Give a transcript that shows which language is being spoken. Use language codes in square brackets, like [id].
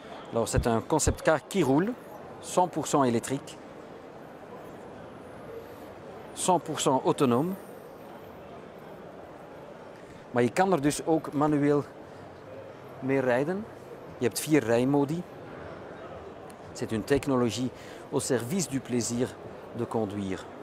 [fr] Alors, c'est un concept car qui roule, 100% électrique, 100% autonoom. [nl] Maar je kan er dus ook manueel mee rijden. Je hebt 4 rijmodi. [fr] C'est une technologie au service du plaisir de conduire.